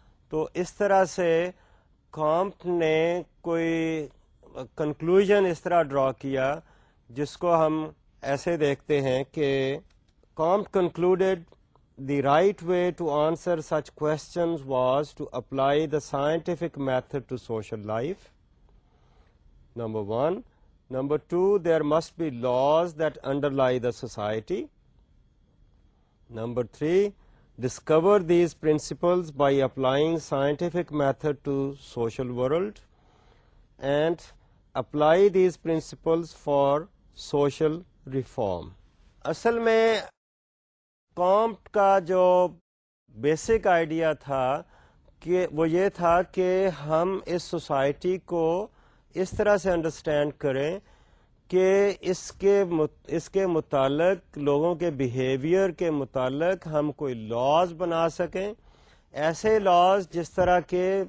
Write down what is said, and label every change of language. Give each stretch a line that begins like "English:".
Urdu: تو اس طرح سے کامپ نے کوئی کنکلوژن اس طرح ڈرا کیا جس کو ہم ایسے دیکھتے ہیں کہ
English: Comte concluded the right way to answer such questions was to apply the scientific method to social life, number one. Number two, there must be laws that underlie the society. Number three, discover these principles by applying scientific method to social world and apply these principles for social reform.
Urdu: Asal mein Comte ka jo basic idea tha ke wo ye tha ke hum is society ko اس طرح سے understand کریں کہ اس کے متعلق, لوگوں کے behaviour کے متعلق ہم کوئی لاز بنا سکیں, ایسے لاز جس طرح کے